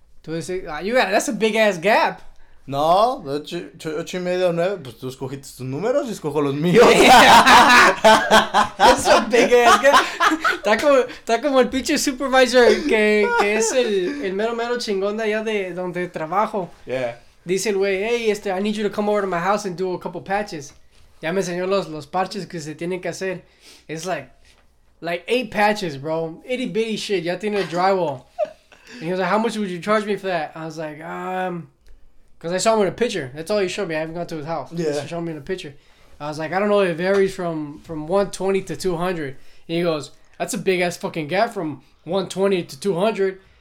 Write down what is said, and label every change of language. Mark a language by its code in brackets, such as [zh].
[es] Tú de 6. [en] Ah, you got it. That's a big ass gap. [es] No, 8 y medio o 9. Pues tú escogiste tus números y escojo los míos. [en] That's a big ass gap. [es] Está como el pinche supervisor que es el mero mero chingón de allá de donde trabajo. [en] Yeah. [es] Dice el güey, [en] hey, I need you to come over to my house and do a couple patches. [es] Ya me enseñó los parches que se tienen que hacer. [en] It's like 8 patches, bro. Itty bitty shit, [es] ya tiene drywall. [en] And he was like, how much would you charge me for that? I was like, because I saw him in a picture. That's all he showed me. I haven't gone to his house. Yeah. He showed me in a picture. I was like, I don't know, it varies from 120 to 200. And he goes, that's a big ass fucking gap from 120 to 200.